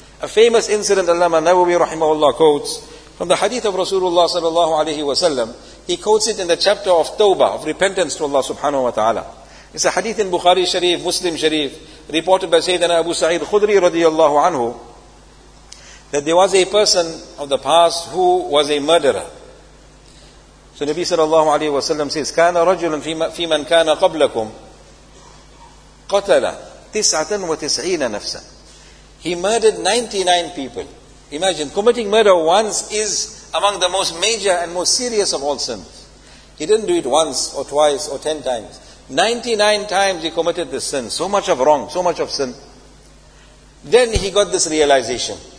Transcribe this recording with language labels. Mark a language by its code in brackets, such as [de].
[en] A famous incident Allama Nawawi rahimahullah quotes from the hadith of Rasulullah sallallahu alayhi wa sallam. He quotes it in the chapter of Tawbah, of repentance to Allah subhanahu wa ta'ala. It's a hadith in Bukhari Sharif, Muslim Sharif, reported by Sayyidina Abu Sa'id Khudri radiyallahu anhu, that there was a person of the past who was a murderer. So Nabi sallallahu alayhi wa sallam says, [ar] كان رجل في من كان قبلكم قتل 99 نفسا. [en] He murdered 99 people. Imagine, committing murder once is among the most major and most serious of all sins. He didn't do it once or twice or 10 times. 99 times he committed this sin. So much of wrong, so much of sin. Then he got this realization.